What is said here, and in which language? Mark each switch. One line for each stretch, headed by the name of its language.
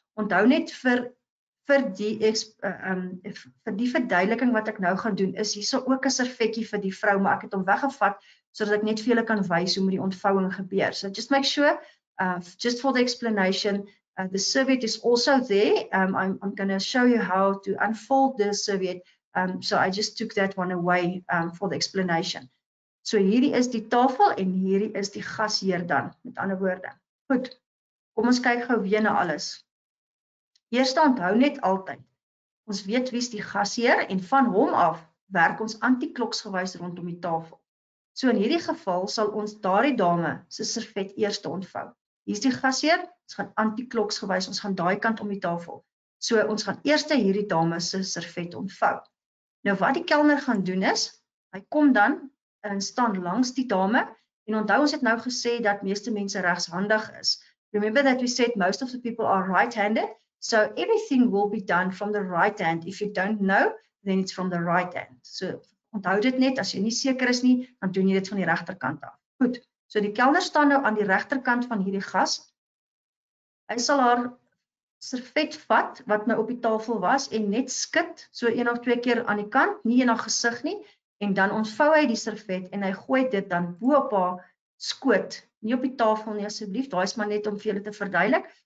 Afrikaans: Onthou net vir die verduideliking wat ek nou gaan doen is hierso ook 'n servetjie vir die vrou, maar ek het hom weggevat sodat ek net vir julle kan wys hoe met die ontvouing gebeur.
English: So just make sure just for the explanation. The serviette is also there. I'm going to show you how to unfold the serviette. So I just took that one away for the explanation.
Afrikaans: So hierdie is die tafel en hierdie is die gasheer dan, met ander woorde. Goed, kom ons kyk gou weer na alles. Eerst onthou net altyd, ons weet wie is die gasheer en van hom af werk ons antikloksgewys rondom die tafel. So in hierdie geval sal ons daardie dame se serviette eerst ontvou. Hier is die gasheer, ons gaan antikloks gewys, ons gaan daai kant om die tafel. So ons gaan eerste hierdie dame se servet ontvou. Nou wat die kelner gaan doen is, hy kom dan en staan langs die dame en onthou ons het nou gesê dat meeste mense regshandig is.
English: Remember that we said most of the people are right-handed, so everything will be done from the right hand. If you don't know, then it's from the right hand.
Afrikaans: So onthou dit net, as jy nie seker is nie, dan doen jy dit van die regterkant af. Goed. So die kelner staan nou aan die regterkant van hierdie gas. Hy sal haar servet vat wat nou op die tafel was en net skud so een of twee keer aan die kant, nie in haar gesig nie, en dan ontvou hy die servet en hy gooi dit dan bo op haar skoot, nie op die tafel nie asseblief, daai is maar net om vir julle te verduidelik.